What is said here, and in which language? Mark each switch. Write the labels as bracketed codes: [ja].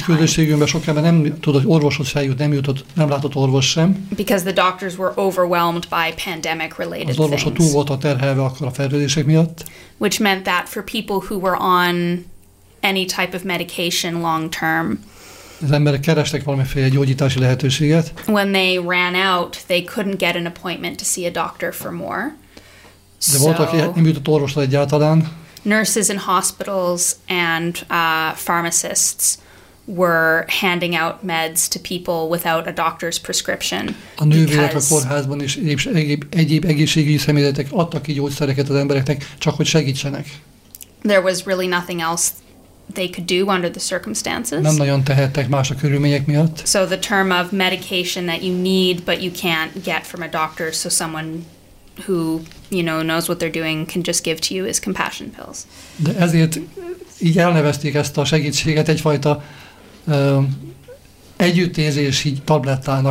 [hu] Kis közösségünkben sok ember nem tudott orvoshoz feljutni, nem látott orvos sem. [en] Because the doctors were overwhelmed by pandemic-related things. [hu] Az orvosok túl voltak terhelve akkor a fertőzések miatt. [en] Which meant that for people who were on any type of medication long-term, [hu] az emberek kerestek valamiféle gyógyítási lehetőséget. [en] When they ran out, they couldn't get an appointment to see a doctor for more. [hu] De volt, aki nem jutott orvosra egyáltalán. [en] Nurses in hospitals and pharmacists were handing out meds to people without a doctor's prescription. [hu] A nővérek a kórházban is egyéb egészségügyi személyzetek adtak ki gyógyszereket az embereknek, csak hogy segítsenek. [en] There was really nothing else they could do under the circumstances. [hu] Nem nagyon tehettek más a körülmények miatt. [en] So the term of medication that you need but you can't get from a doctor, so someone who, you know, knows what they're doing can just give to you is compassion pills. [hu] De ezért így elnevezték ezt a segítséget egyfajta együttérzési tablettának.